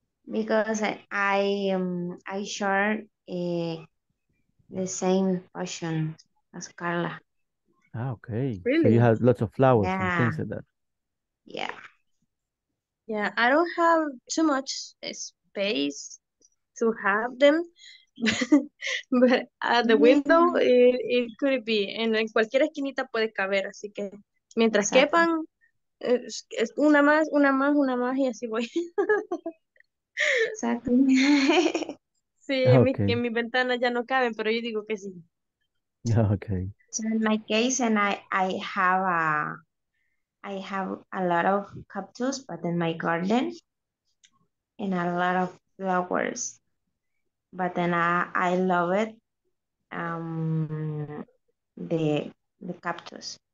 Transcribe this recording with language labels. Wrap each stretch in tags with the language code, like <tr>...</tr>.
<en>Because I share the same passion as Carla. Ah, okay. Really? So you have lots of flowers, yeah. And things like that. Yeah. Yeah, I don't have too much space to have them, but at the window, it could be.</en> <es>En cualquier esquinita puede caber, así que mientras exactly. Quepan, es una más, una más, una más, y así voy. Exacto. Sí, okay. En mi ventana ya no caben, pero yo digo que sí.</es> <en>Okay. So in my case, and I have a lot of cactus, but in my garden, and a lot of flowers. But then I love it, the cactus.</en>